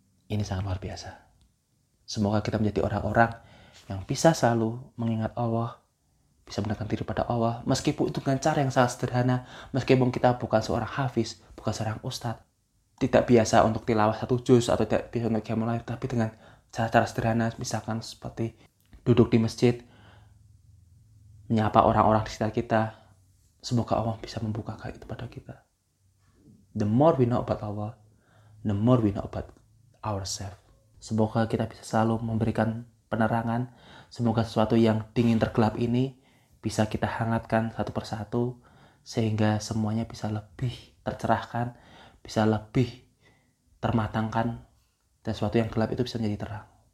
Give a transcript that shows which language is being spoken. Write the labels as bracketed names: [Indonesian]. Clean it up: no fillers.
[Indonesian] Ini sangat luar biasa. Semoga kita menjadi orang-orang yang bisa selalu mengingat Allah, bisa mendekatkan diri pada Allah, meskipun itu dengan cara yang sangat sederhana, meskipun kita bukan seorang hafiz, bukan seorang ustaz, tidak biasa untuk tilawah satu juz, atau tidak biasa untuk qiyamul lail, tapi dengan cara-cara sederhana, misalkan seperti duduk di masjid, menyapa orang-orang di sekitar kita, semoga Allah bisa membukakan itu pada kita. [English] The more we know about Allah, the more we know about ourselves. [Indonesian] Semoga kita bisa selalu memberikan penerangan. Semoga sesuatu yang dingin tergelap ini bisa kita hangatkan satu persatu, sehingga semuanya bisa lebih tercerahkan, bisa lebih termatangkan, dan sesuatu yang gelap itu bisa menjadi terang.